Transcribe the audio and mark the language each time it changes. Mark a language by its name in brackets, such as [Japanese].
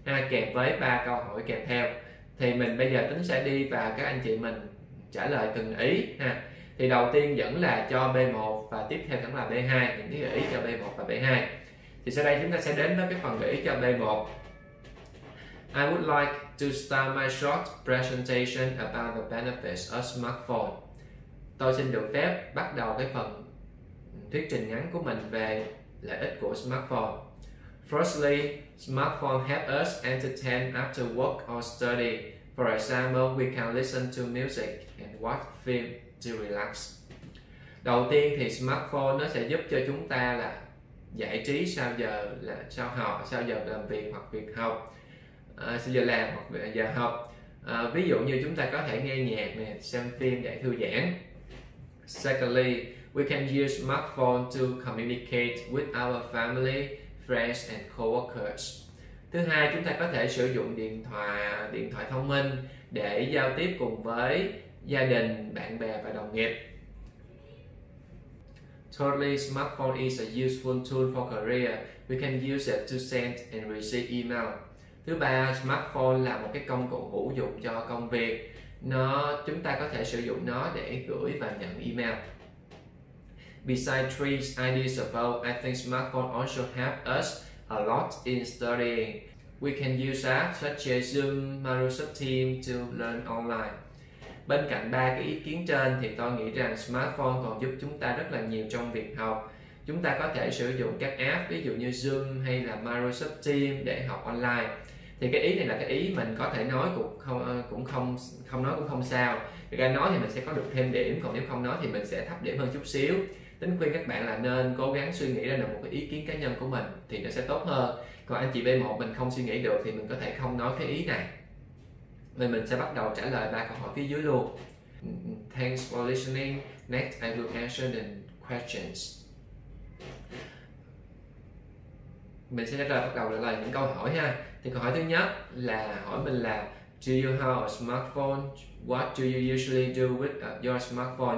[Vietnamese] Kèm với ba câu hỏi kèm theo. Thì mình bây giờ Tính sẽ đi vào các anh chị mình trả lời từng ý ha. Thì đầu tiên vẫn là cho B1 và tiếp theo vẫn là B2, những cái gợi ý cho B1 và B2. Thì sau đây chúng ta sẽ đến với cái phần gợi ý cho B1. [English] I would like to start my short presentation about the benefits of smartphone. [Vietnamese] Tôi xin được phép bắt đầu cái phần thuyết trình ngắn của mình về lợi ích của smartphone. [English] Firstly, smartphone help us entertain after work or study. For example, we can listen to music and watch film to relax. [Vietnamese] Đầu tiên thì smartphone nó sẽ giúp cho chúng ta là giải trí sau giờ là sau học, sau giờ làm việc hoặc việc học, sau giờ làm hoặc giờ học. Ví dụ như chúng ta có thể nghe nhạc này, xem phim để thư giãn. [English] Secondly, we can use smartphone to communicate with our family, friends and coworkers. [Vietnamese] Thứ hai, chúng ta có thể sử dụng điện thoại thông minh để giao tiếp cùng với gia đình, bạn bè và đồng nghiệp. [English] Totally, smartphone is a useful tool for career. We can use it to send and receive email. [Vietnamese] Thứ ba, smartphone là một cái công cụ hữu dụng cho công việc. Chúng ta có thể sử dụng nó để gửi và nhận email. [English] Besides trees, ideas about, I think smartphone also help us a lot in studying. We can use apps such as Zoom, Microsoft Teams to learn online. [Vietnamese] Bên cạnh ba cái ý kiến trên thì tôi nghĩ rằng smartphone còn giúp chúng ta rất là nhiều trong việc học. Chúng ta có thể sử dụng các app ví dụ như Zoom hay là Microsoft Teams để học online. Thì cái ý này là cái ý mình có thể nói cũng không nói cũng không sao. Nếu nói thì mình sẽ có được thêm điểm, còn nếu không nói thì mình sẽ thấp điểm hơn chút xíu. Tính khuyên các bạn là nên cố gắng suy nghĩ ra được một cái ý kiến cá nhân của mình thì nó sẽ tốt hơn. Còn anh chị B1 mình không suy nghĩ được thì mình có thể không nói cái ý này. Vậy mình sẽ bắt đầu trả lời ba câu hỏi phía dưới luôn. [English] Thanks for listening. Next, I will answer the questions. [Vietnamese] Mình sẽ bắt đầu trả lời những câu hỏi ha. Thì câu hỏi thứ nhất là hỏi mình là [English] Do you have a smartphone? What do you usually do with your smartphone?